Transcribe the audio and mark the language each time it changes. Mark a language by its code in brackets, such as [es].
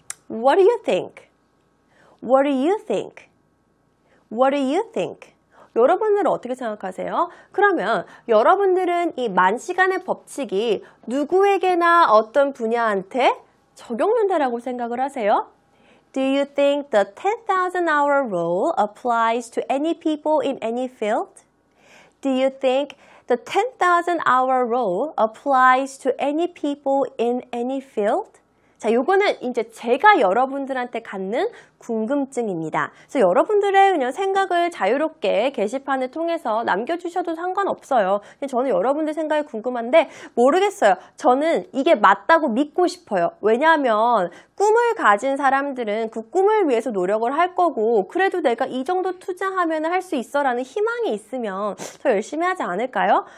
[en] What do you think? What do you think? What do you think? [ko] 여러분들은 어떻게 생각하세요? 그러면 여러분들은 이 만 시간의 법칙이 누구에게나 어떤 분야한테 적용된다라고 생각을 하세요? [en] Do you think the 10,000 hour rule applies to any people in any field? Do you think the 10,000 hour rule applies to any people in any field? [ko] 자, 요거는 이제 제가 여러분들한테 갖는 궁금증입니다. 그래서 여러분들의 그냥 생각을 자유롭게 게시판을 통해서 남겨주셔도 상관없어요. 그냥 저는 여러분들 생각이 궁금한데 모르겠어요. 저는 이게 맞다고 믿고 싶어요. 왜냐하면 꿈을 가진 사람들은 그 꿈을 위해서 노력을 할 거고, 그래도 내가 이 정도 투자하면 할 수 있어라는 희망이 있으면 더 열심히 하지 않을까요?